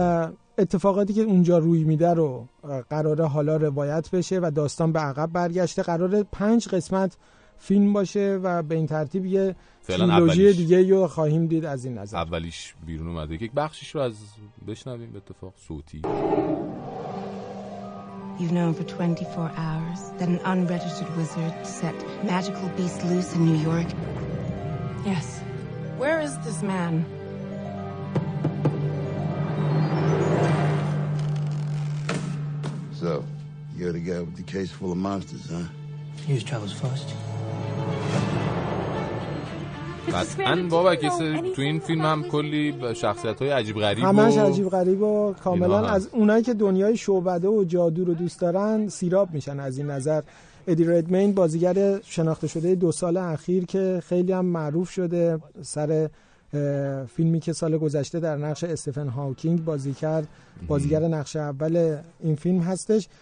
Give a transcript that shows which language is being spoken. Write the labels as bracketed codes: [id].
[fa] و اتفاقاتی که اونجا روی میده رو قراره حالا روایت بشه و داستان به عقب برگشته. قراره 5 قسمت فیلم باشه و به این ترتیب یه تریلوژی دیگه رو خواهیم دید از این نظر. اولیش بیرون اومده، یک بخشش رو از بشنویم به اتفاق صوتی. [en] You've known for 24 hours that an unregistered wizard set magical beasts loose in New York? Yes. Where is this man? So, you're the guy with the case full of monsters, huh? News travels fast. [fa] قطعاً بابک یه سری تو این فیلم هم کلی شخصیت‌های عجیب غریب و همش عجیب غریب و کاملاً از اونایی که دنیای شعبده و جادو رو دوست دارن سیراب میشن از این نظر. ادی ردمین، بازیگر شناخته شده 2 سال اخیر که خیلی هم معروف شده سر فیلمی که سال گذشته در نقش استفن هاوکینگ بازی کرد، بازیگر نقش اول این فیلم هستش.